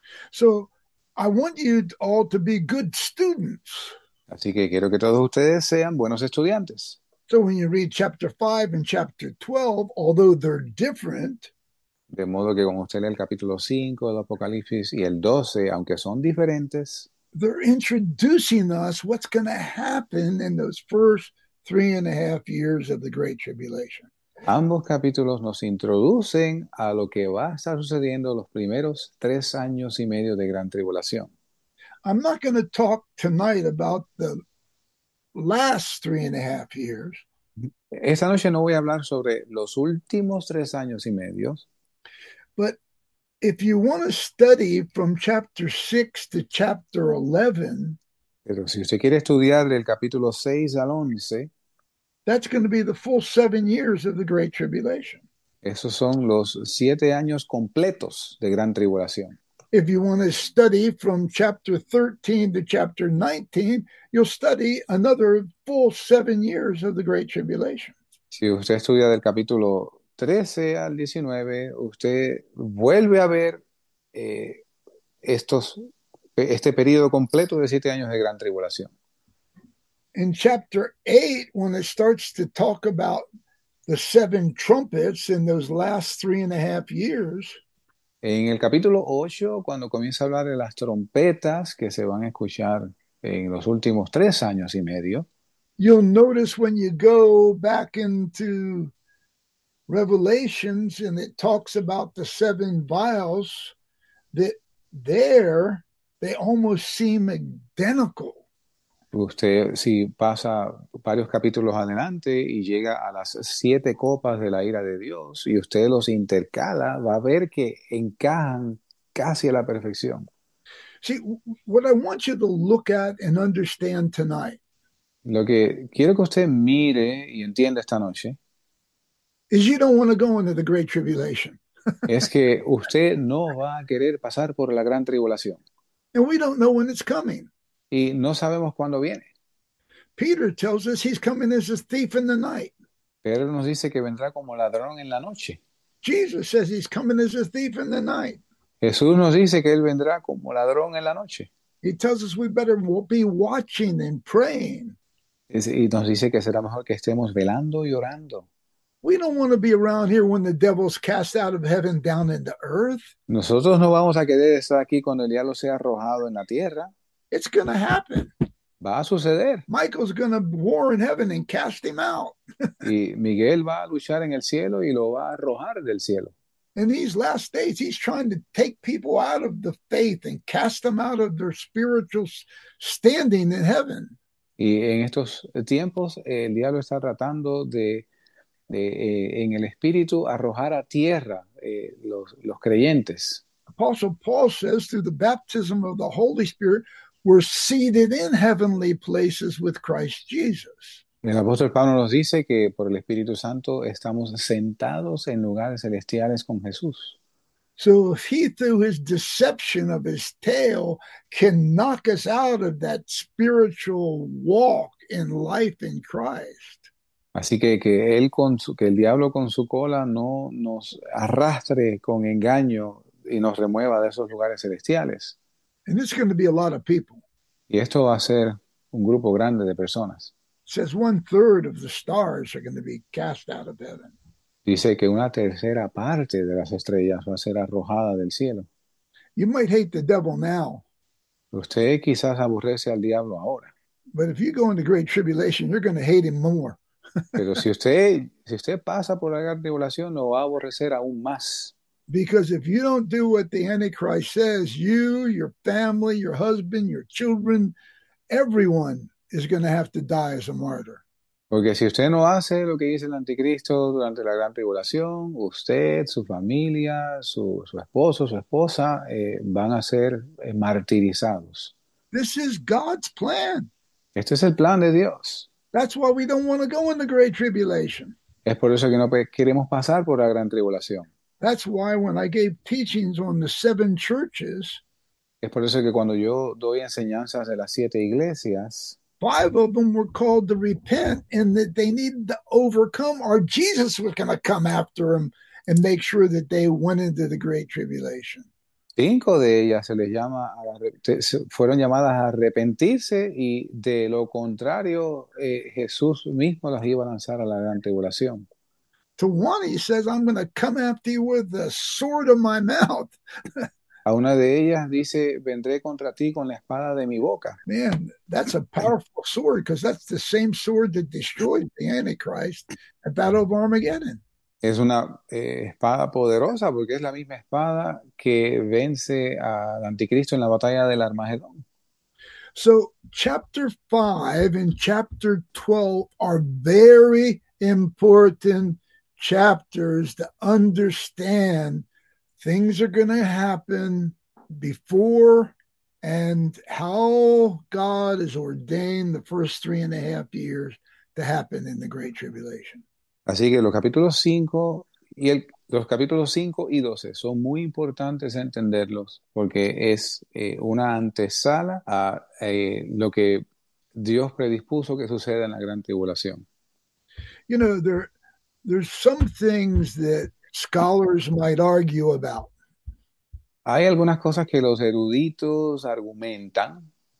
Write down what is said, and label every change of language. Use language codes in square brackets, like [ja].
[en] So, I want you all to be good students. [es] Así que quiero que todos ustedes sean buenos estudiantes. [en] So, when you read chapter 5 and chapter 12, although they're different, [es] De modo que cuando usted lee el capítulo 5 del Apocalipsis y el 12, aunque son diferentes, [en] they're introducing us what's going to happen in those first 3.5 years of the Great Tribulation. [es] ambos capítulos nos introducen a lo que va a estar sucediendo los primeros 3 años y medio de gran tribulación. [en] I'm not going to talk tonight about the last 3.5 years. [es] Esta noche no voy a hablar sobre los últimos 3 años y medio. [en] But if you want to study from chapter 6 to chapter 11, [es] Pero si usted quiere estudiar del capítulo 6 al 11, [en] that's going to be the full 7 years of the Great Tribulation. [es] esos son los 7 años completos de gran tribulación. [en] If you want to study from chapter 13 to chapter 19, you'll study another full 7 years of the Great Tribulation. [es] Si usted estudia del capítulo 13 al 19, usted vuelve a ver este periodo completo de 7 años de gran tribulación. [en] In chapter 8, when it starts to talk about the seven trumpets in those last 3.5 years, [es] En el capítulo 8, cuando comienza a hablar de las trompetas que se van a escuchar en los últimos 3 años y medio, [en] you'll notice when you go back into Revelations and it talks about the seven vials, that there they almost seem identical. [es] usted, si pasa varios capítulos adelante y llega a las 7 copas de la ira de Dios y usted los intercala, va a ver que encajan casi a la perfección. [en] See, what I want you to look at and understand tonight [es] Lo que quiero que usted mire y entienda esta noche [en] is you don't want to go into the Great Tribulation. [es] es que usted no va a querer pasar por la gran tribulación. [en] And we don't know when it's coming. [es] Y no sabemos cuándo viene. [en] Peter tells us he's coming as a thief in the night. [es] Pedro nos dice que vendrá como ladrón en la noche. [en] Jesus says he's coming as a thief in the night. [es] Jesús nos dice que él vendrá como ladrón en la noche. [en] He tells us we better be watching and praying. [es] Y nos dice que será mejor que estemos velando y orando. [en] We don't want to be around here when the devil's cast out of heaven down into earth. [es] Nosotros no vamos a querer estar aquí cuando el diablo sea arrojado en la tierra. [en] It's going to happen. [es] Va a suceder. [en] Michael's going to war in heaven and cast him out. [es] Y Miguel va a luchar en el cielo y lo va a arrojar del cielo. [en] In these last days, he's trying to take people out of the faith and cast them out of their spiritual standing in heaven. [es] Y en estos tiempos, el diablo está tratando de en el espíritu, arrojar a tierra los creyentes. [en] Apostle Paul says, through the baptism of the Holy Spirit, we're seated in heavenly places with Christ Jesus. [es] El apóstol Pablo nos dice que por el Espíritu Santo estamos sentados en lugares celestiales con Jesús. [en] So if he, through his deception of his tail, can knock us out of that spiritual walk in life in Christ. [es] Así que él con su, que el diablo con su cola no nos arrastre con engaño y nos remueva de esos lugares celestiales. [en] And it's going to be a lot of people. [es] Y esto va a ser un grupo grande de personas. [en] says one third of the stars are going to be cast out of heaven. [es] Dice que una tercera parte de las estrellas va a ser arrojada del cielo. [en] You might hate the devil now. [es] Usted quizás aborrece al diablo ahora. [en] But if you go into great tribulation, you're going to hate him more. [es] Pero si usted pasa por la gran tribulación, lo va a aborrecer aún más. [en] Because if you don't do what the Antichrist says, you, your family, your husband, your children, everyone is going to have to die as a martyr. [es] Porque si usted no hace lo que dice el anticristo durante la gran tribulación, usted, su familia, su esposo, su esposa, van a ser martirizados. [en] This is God's plan. [es] Este es el plan de Dios. [en] That's why we don't want to go in the great tribulation. [es] Es por eso que no queremos pasar por la gran tribulación. [en] That's why when I gave teachings on the seven churches, [es] Es por eso que cuando yo doy enseñanzas de las siete iglesias, [en] five of them were called to repent and that they needed to overcome, or Jesus was going to come after them and make sure that they went into the great tribulation. [es] cinco de ellas se les llama, fueron llamadas a arrepentirse y de lo contrario, Jesús mismo las iba a lanzar a la gran tribulación. [en] To one, he says, I'm going to come after you with the sword of my mouth. [es] A una de ellas dice, vendré contra ti con la espada de mi boca. [en] Man, that's a powerful sword because that's the same sword that destroyed the Antichrist at Battle of Armageddon. [es] Es una espada poderosa porque es la misma espada que vence al anticristo en la batalla del Armagedón. [en] So, chapter 5 and chapter 12 are very important chapters to understand things are going to happen before and how God has ordained the first 3.5 years to happen in the Great Tribulation. [es] Así que los capítulos 5 y los capítulos 5 y 12 son muy importantes entenderlos porque es una antesala a lo que Dios predispuso que suceda en la gran tribulación. [en] There's some things that scholars might argue about. [es] Hay algunas cosas que los eruditos argumentan.